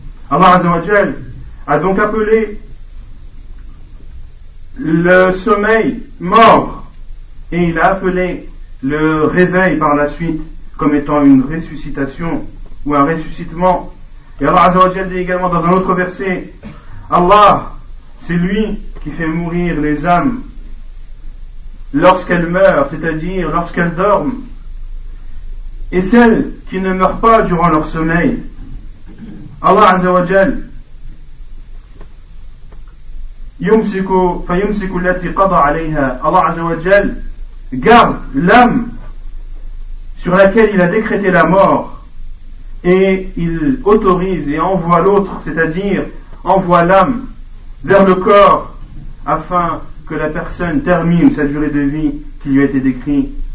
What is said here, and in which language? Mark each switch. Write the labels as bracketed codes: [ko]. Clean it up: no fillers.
[fr] Allah Azza wa Jal a donc appelé le sommeil mort, et il a appelé le réveil par la suite comme étant une ressuscitation ou un ressuscitement. Et Allah Azza wa Jal dit également dans un autre verset, Allah, c'est lui qui fait mourir les âmes lorsqu'elles meurent, c'est-à-dire lorsqu'elles dorment, et celles qui ne meurent pas durant leur sommeil. [ar] Allah Azza wa Jal, فَيُمْسِكُ الَّتِي قَضَ عَلَيْهَا. [fr] Allah Azza wa Jal garde l'âme sur laquelle il a décrété la mort, et il autorise et envoie l'autre, c'est-à-dire envoie l'âme vers le corps afin que la personne termine sa durée de vie qui lui a été décrite.